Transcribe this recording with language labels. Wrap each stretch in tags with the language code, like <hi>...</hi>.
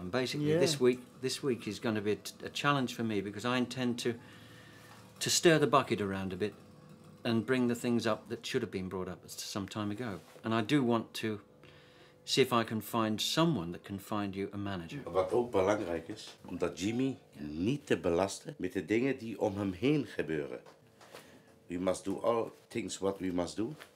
<en>And basically, this week is going to be a challenge for me, because I intend to stir the bucket around a bit and bring the things up that should have been brought up some time ago. And I do want to see if I can find someone that can find you a manager.</en> <nl>Wat ook belangrijk is, om dat Jimmy niet te belasten met de dingen die om hem heen gebeuren.</nl> <en>We must do all things what we must do.</en>